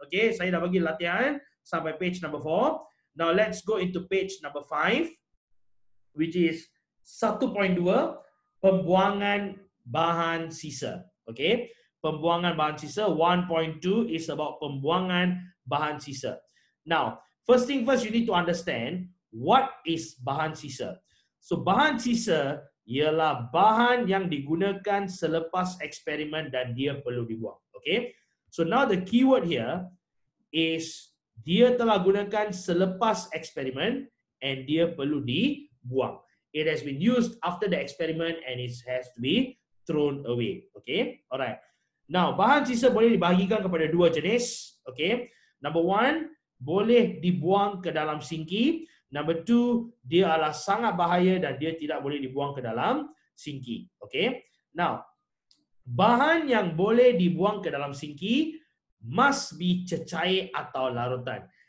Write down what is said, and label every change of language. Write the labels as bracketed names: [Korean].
[English] Okay, [Malay] saya dah bagi latihan sampai [English] page number 4. Now let's go into page number 5, which is 1.2, [Malay] pembuangan bahan sisa. Okay, pembuangan bahan sisa. 1.2 is about pembuangan bahan sisa. [English] Now, first thing first, you need to understand what is bahan sisa. [Malay] So bahan sisa ialah bahan yang digunakan selepas eksperimen dan dia perlu dibuang. Okay? [English] So now the keyword here is [Malay] dia telah gunakan selepas eksperimen and dia perlu dibuang. [English] It has been used after the experiment and it has to be thrown away. Okay? Alright. [Malay] Now, bahan sisa boleh dibahagikan kepada dua jenis. Okay? Number one, boleh dibuang ke dalam sinki. Number 2, dia adalah sangat bahaya dan dia tidak boleh dibuang ke dalam sinki. Okay? Now, bahan yang boleh dibuang ke dalam sinki must be cecair atau larutan.